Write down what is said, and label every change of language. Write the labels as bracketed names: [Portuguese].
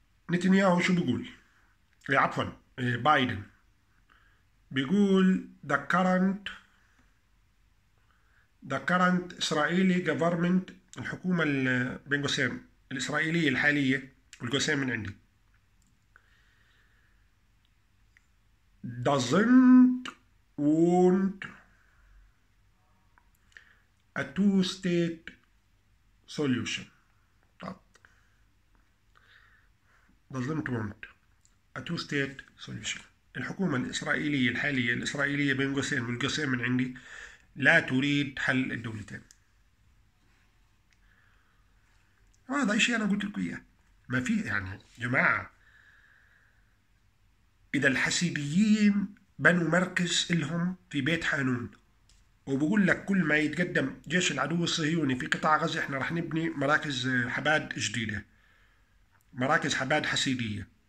[Arabic] نتنياهو شو بيقول؟ عفوا بايدن بيقول [English] the current Israeli government، [Arabic] الحكومة بين قوسين الإسرائيلية الحالية والقوسين من عندي، [English] doesn't want a two-state solution. doesn't want a two-state solution. [Arabic] الحكومة الإسرائيلية الحالية، الإسرائيلية بين قوسين والقوسين من عندي، لا تريد حل الدولتين. هذا إشي أنا قلت لكم إياه. ما في يعني جماعة، إذا الحسيبيين بنوا مركز إلهم في بيت حانون، وبقول لك كل ما يتقدم جيش العدو الصهيوني في قطاع غزة إحنا راح نبني مراكز حباد جديدة، مراكز حباد حسيدية.